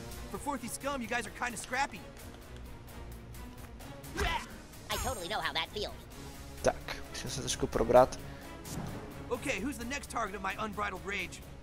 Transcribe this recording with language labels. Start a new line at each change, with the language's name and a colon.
English: For Forthy scum, you guys are kind of scrappy. I totally know how that feels.
Czech: Tak, musím se trošku probrat.
English: Okay, who's the next target of my unbridled rage?